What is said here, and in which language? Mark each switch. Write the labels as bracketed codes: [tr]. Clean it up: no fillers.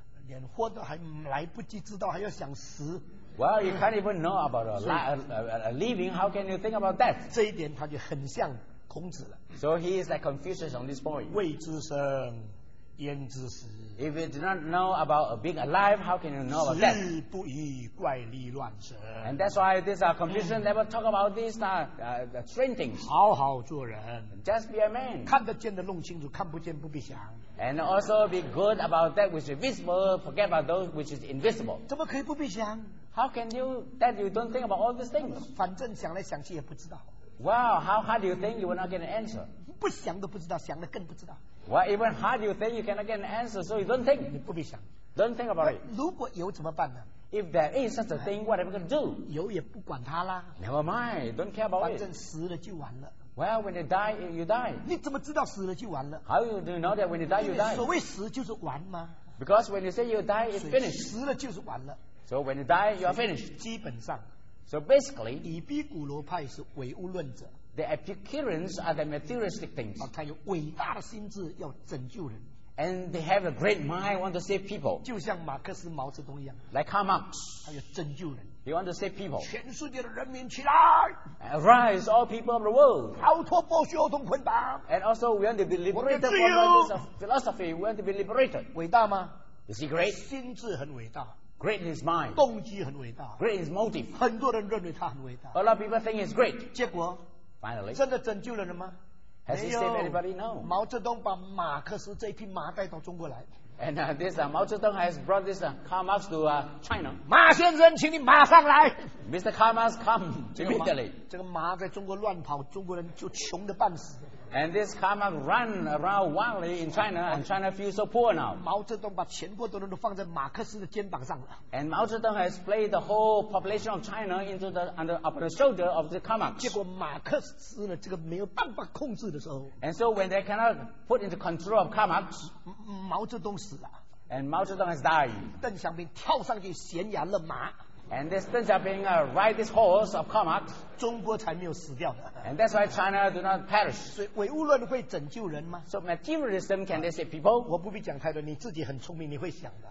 [zh] 连活都还来不及知道，还要想死。 [en] Well, you can't even know about a living. How can you think about death？ [zh] 这一点他就很像孔子了。 [en] So he is like Confucius on this point. [zh] 未知生，焉知死 [en] ？If you do not know about being alive, how can you know about death？ [zh] 时不宜怪力乱神。 [en] And that's why this Confucius never talk about this strange things. [zh] 好好做人 [en] ，just be a man. [zh] 看得见的弄清楚，看不见不必想。 [en] And also be good about that which is visible. Forget about those which is invisible. [zh] 怎么可以不必想？ [en] How can you that you don't think about all these things? [zh] 反正想来想去也不知道。 [en] Wow, how do you think you will not get an answer? [zh] 不想都不知道，想了更不知道。 [en] Well, even how do you think you cannot get an answer? So you don't think. [zh] 你不必想。 [en] Don't think about it. [zh] 如果有怎么办呢？ [en] If there is such a thing, what am I going to do? [zh] 有也不管它啦。 [en] Never mind, don't care about it. [zh] 反正死了就完了。 [en] Well, when you die, you die. [zh] 你怎么知道死了就完了？ [en] How do you know that when you die, you die? [zh] 所谓死就是完吗？ [en] Because when you say you die, it's finished. [zh] 死了就是完了。 [en] So when you die, you are finished. [zh] 基本上 [en] So basically, [zh] 以比古罗派是唯物论者 [en] The Epicureans are the materialistic things. [zh] 他有伟大的心智要拯救人 [en] And they have a great mind want to save people. [zh] 就像马克思毛泽东一样 [en] Like Karl Marx. [zh] 他要拯救人 [en] He want to save people. [zh] 全世界的人民起来 [en] Arise all people of the world. [zh] 逃脱剥削同捆绑 [en] And also we want to be liberated from this philosophy. We want to be liberated. [zh] 伟大吗 [en] Is he great? [zh] 心智很伟大 [en] Great in his mind. [zh] 动机很伟大 [en] Great in his motive. [zh] 很多人认为他很伟大 [en] A lot of people think he's great. [zh] 结果 [en] Finally. [zh] 真的拯救了人吗 [en] Has he saved anybody? No. [zh] 毛泽东把马克思这匹马带到中国来 [en] And Mao Zedong has brought this Karl Marx to China. [zh] 马先生请你马上来 [en] Mr. Karl Marx come immediately. [zh] 这个马在中国乱跑中国人就穷得半死 [en] And this Karl Marx run around wildly in China, and China feels so poor now. [zh] 毛泽东把全国的人都放在马克思的肩膀上了。 [en] And Mao Zedong has placed the whole population of China into the upon the shoulder of the Karl Marx. [zh] 结果马克思呢，这个没有办法控制的时候。 [en] And so when they cannot put into control of Karl Marx, [zh] 毛泽东死了。 [en] And Mao Zedong has died. [zh] 邓小平跳上去悬崖勒马。 [en] And this Deng Xiaoping ride this horse of Karl Marx. [zh] 中国才没有死掉的。 [en] And that's why China do not perish. [zh] 所以唯物论会拯救人吗 [en] ？So materialism can they save people? [zh] 我不必讲太多，你自己很聪明，你会想的。